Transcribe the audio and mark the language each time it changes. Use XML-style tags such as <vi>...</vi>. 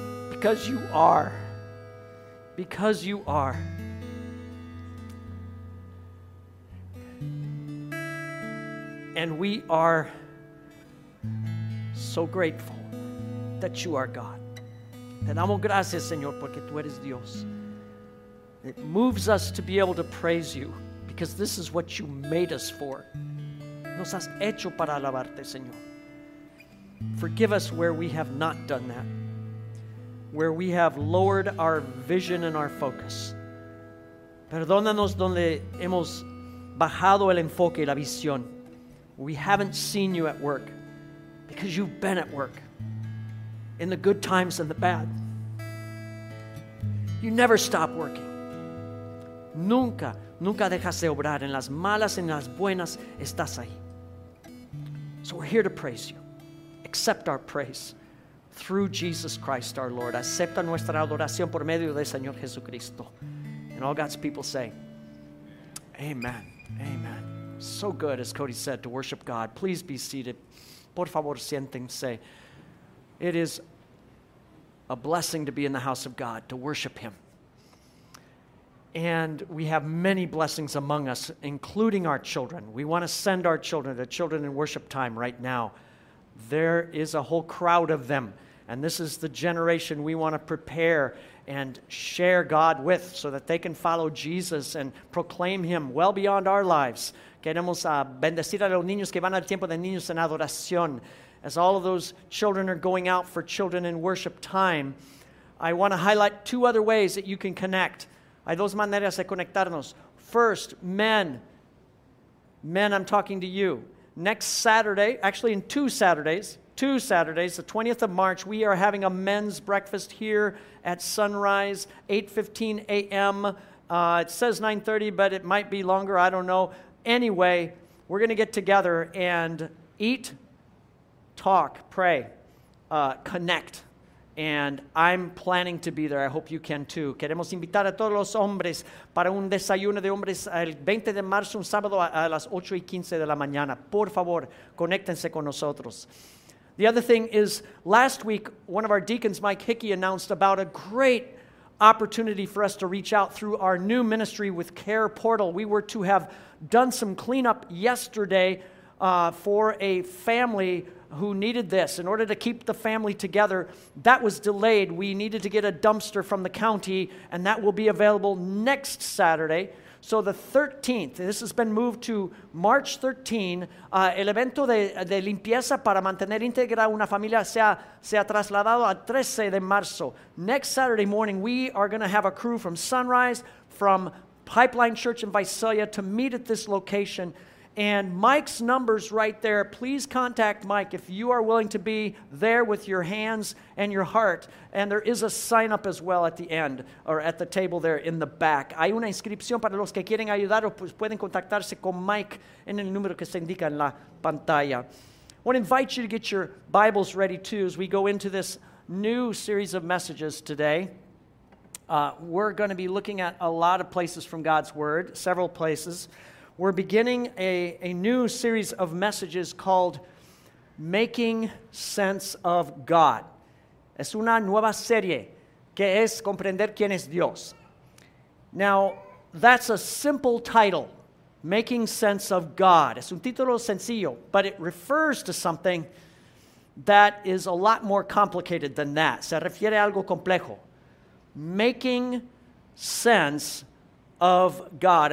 <en>Because you are. And we are so grateful that you are God.</en> <es>Te damos gracias, Señor, porque tú eres Dios.</es> <en>It moves us to be able to praise you because this is what you made us for.</en> <es>Nos has hecho para alabarte, Señor.</es> <en>Forgive us where we have not done that, where we have lowered our vision and our focus.</en> <es>Perdónanos donde hemos bajado el enfoque y la visión.</es> <en>We haven't seen you at work because you've been at work in the good times and the bad. You never stop working.</en> <es>Nunca, nunca dejas de obrar. En las malas, en las buenas, estás ahí.</es> <en>So we're here to praise you. Accept our praise through Jesus Christ our Lord.</en> <es>Acepta nuestra adoración por medio del Señor Jesucristo.</es> <en>And all God's people say, amen, amen. So good, as Cody said, to worship God. Please be seated.</en> <es>Por favor, siéntense.</es> <en>It is a blessing to be in the house of God, to worship Him. And we have many blessings among us, including our children. We want to send our children to Children in Worship Time right now. There is a whole crowd of them. And this is the generation we want to prepare and share God with so that they can follow Jesus and proclaim Him well beyond our lives.</en> <es>Queremos bendecir a los niños que van al tiempo de niños en adoración.</es> <en>As all of those children are going out for Children in Worship Time, I want to highlight two other ways that you can connect.</en> <es>Hay dos maneras de conectarnos.</es> <en>First, men, I'm talking to you. Next Saturday, actually in two Saturdays, the 20th of March, we are having a men's breakfast here at Sunrise, 8:15 a.m. It says 9:30, but it might be longer, I don't know. Anyway, we're going to get together and eat, talk, pray, connect. And I'm planning to be there. I hope you can too.</en> <es>Queremos invitar a todos los hombres para un desayuno de hombres el 20 de marzo, un sábado a las 8:15 de la mañana. Por favor, conéctense con nosotros.</es> <en>The other thing is, last week, one of our deacons, Mike Hickey, announced about a great opportunity for us to reach out through our new ministry with Care Portal. We were to have done some cleanup yesterday for a family who needed this in order to keep the family together. That was delayed. We needed to get a dumpster from the county, and that will be available next Saturday. So the 13th, this has been moved to March 13,</en> <es>el evento de limpieza para mantener íntegra una familia se ha trasladado al 13 de marzo.</es> <en>Next Saturday morning, we are going to have a crew from Sunrise, from Pipeline Church in Visalia to meet at this location. And Mike's number's right there. Please contact Mike if you are willing to be there with your hands and your heart. And there is a sign up as well at the end, or at the table there in the back.</en> <es>Hay una inscripción para los que quieren ayudar, o pues pueden contactarse con Mike en el número que se indica en la pantalla.</es> <en>I want to invite you to get your Bibles ready too as we go into this new series of messages today. We're going to be looking at a lot of places from God's Word, several places. We're beginning a new series of messages called Making Sense of God.</en> <es>Es una nueva serie que es Comprender Quién es Dios.</es> <en>Now, that's a simple title, Making Sense of God.</en> <es>Es un título sencillo,</es> <en>but it refers to something that is a lot more complicated than that.</en> <es>Se refiere a algo complejo. Making Sense of God.</es>